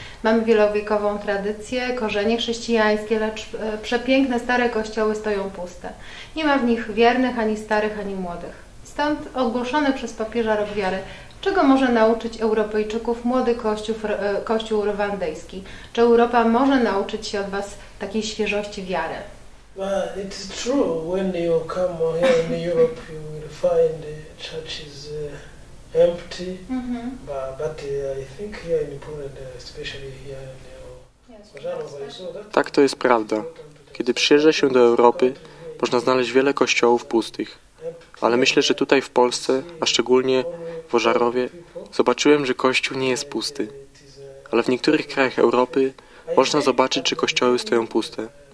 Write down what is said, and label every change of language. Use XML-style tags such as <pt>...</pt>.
<pl>Mamy wielowiekową tradycję, korzenie chrześcijańskie, lecz przepiękne stare kościoły stoją puste. Nie ma w nich wiernych, ani starych, ani młodych. Stąd ogłoszony przez papieża rok wiary. Czego może nauczyć Europejczyków młody kościół rwandyjski? Czy Europa może nauczyć się od Was takiej świeżości wiary?</pl> <en>Well, it is true. When you come here in Europe, you will find churches empty. Mm-hmm. But I think here in Poland, especially here in the</en> <pl>Tak, to jest prawda. Kiedy przyjeżdża się do Europy, można znaleźć wiele kościołów pustych. Ale myślę, że tutaj w Polsce, a szczególnie w Ożarowie, zobaczyłem, że kościół nie jest pusty. Ale w niektórych krajach Europy można zobaczyć, czy kościoły stoją puste.</pl>